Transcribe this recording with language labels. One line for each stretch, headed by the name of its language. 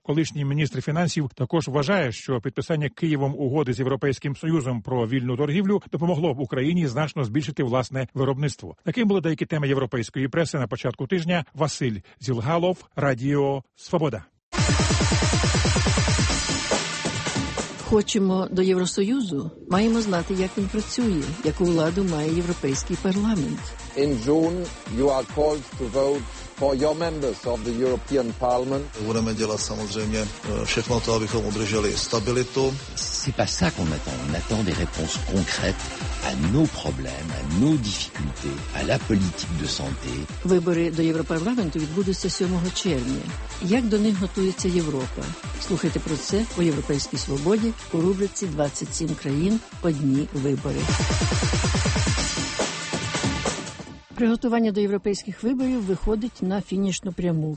Ukrainian: Колишній міністр фінансів також вважає, що підписання Києвом угоди з Європейським Союзом про вільну торгівлю допомогло б Україні значно збільшити власне виробництво. Таким були деякі теми європейської преси на початку тижня. Василь Зілгалов, Радіо Свобода. Хочемо до Євросоюзу, маємо знати, як він працює, яку владу має Європейський парламент.
English: In June you are called to vote for your members of the European Parliament.
Czech: Budeme dělat samozřejmě všechno to, abychom udrželi stabilitu.
French: C'est pas ça qu'on attend, on attend des réponses concrètes à nos problèmes, à nos difficultés, à la politique de santé.
Ukrainian: Вибори до Європарламенту відбудуться 7 червня. Як до них готується Європа? Слухайте про це у Європейській свободі у рубриці 27 країн одні вибори. Приготування до європейських виборів виходить на фінішну пряму.